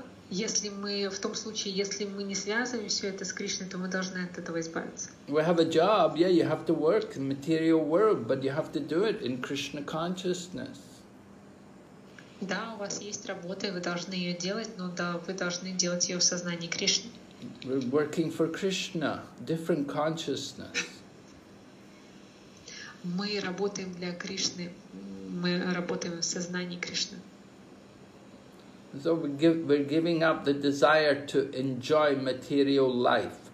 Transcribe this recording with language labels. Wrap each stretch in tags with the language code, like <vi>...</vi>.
<ru>Если мы в том случае, если мы не связываем все это с Кришной, то мы должны от этого избавиться.</ru> <en>We have a job, yeah, you have to work in material world, but you have to do it in Krishna consciousness.</en> <ru>Да, у вас есть работа, и вы должны ее делать, но да, вы должны делать ее в сознании Кришны.</ru> <en>We're working for Krishna, different consciousness.</en> <ru>Мы работаем для Кришны, мы работаем в сознании Кришны.</ru> <en>So we're giving up the desire to enjoy material life.</en>